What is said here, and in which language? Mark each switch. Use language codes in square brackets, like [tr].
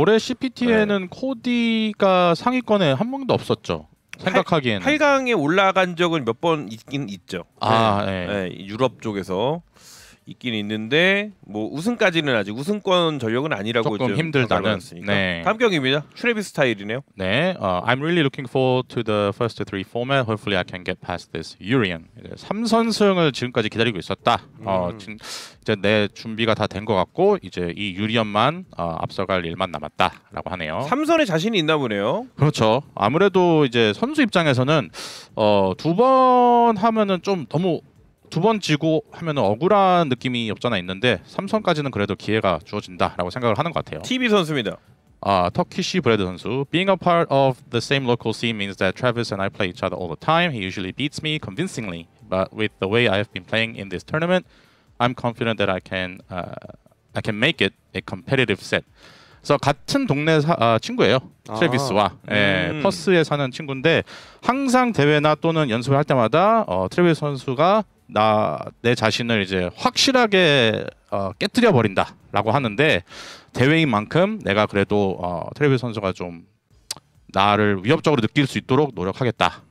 [ko] 올해 CPT에는 네. 코디가 상위권에 한 명도 없었죠. 생각하기에는 8강에 올라간 적은 몇 번 있긴 있죠. 아, 네. 네. 네, 유럽 쪽에서 있긴 있는데 뭐 우승까지는 아직 우승권 전력은 아니라고 조금 힘들다는. 네. 다음 경기입니다. 트레비 스타일이네요. 네, [en] I'm really looking forward to the first three format. Hopefully, I can get past this Urien. [ko] 삼선승을 지금까지 기다리고 있었다. 이제 내 준비가 다 된 것 같고 이제 이 유리언만 앞서갈 일만 남았다라고 하네요. 3선에 자신이 있나 보네요. 그렇죠. 아무래도 이제 선수 입장에서는 두 번 하면은 좀 너무 두 번 지고 하면은 억울한 느낌이 없잖아 있는데 3선까지는 그래도 기회가 주어진다라고 생각을 하는 것 같아요. TB 선수입니다. 터키시 브래드 선수. [en] Being a part of the same local scene means that Travis and I play each other all the time. He usually beats me convincingly, but with the way I have been playing in this tournament, I'm confident that I can make it a competitive set. [ko] So 같은 동네 친구예요. 트래비스와 아, 퍼스에 사는 친구인데 항상 대회나 또는 연습을 할 때마다 트래비스 선수가 내 자신을 이제 확실하게 깨뜨려 버린다라고 하는데 대회인 만큼 내가 그래도 트래비스 선수가 좀 나를 위협적으로 느낄 수 있도록 노력하겠다.